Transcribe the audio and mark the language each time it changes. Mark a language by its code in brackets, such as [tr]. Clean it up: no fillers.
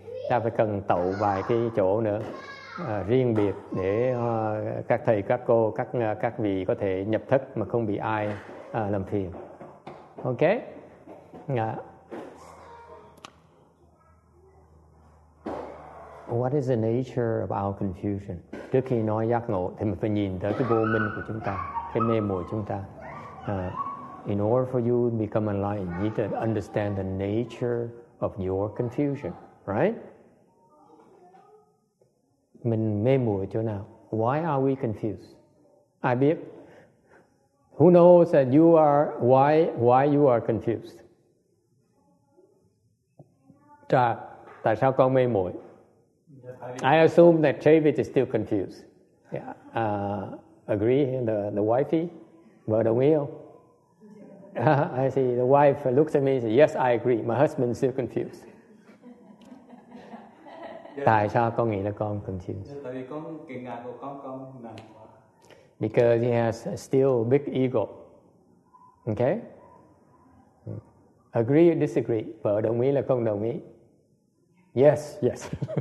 [vi] Ta phải cần tậu vài cái chỗ nữa riêng biệt để các thầy, các cô, các vị có thể nhập thất mà không bị ai làm phiền. Okay. [en] What is the nature of our confusion? [vi] Trước khi nói giác ngộ thì mình phải nhìn tới cái vô minh của chúng ta, cái mê muội chúng ta. [en] In order for you to become enlightened, you need to understand the nature of your confusion, right? [vi] Mình mê muội chỗ nào? [en] Why are we confused? [vi] Ai biết? [en] Who knows that you are, why you are confused? [vi] Trà, tại sao con mê muội? [en] I assume that David is still confused. Yeah. Agree, the wifey? [vi] Vợ đồng ý không? [en] I see the wife looks at me and says, yes, I agree. My husband is still confused. Yeah. [vi] Tại sao con nghĩ là con confused? Tại vì con kiêng ngạo của con nặng quá. [en] Because he has still a big ego. Okay? Agree or disagree? [vi] Vợ đồng ý là con đồng ý? [en] Yes, yes.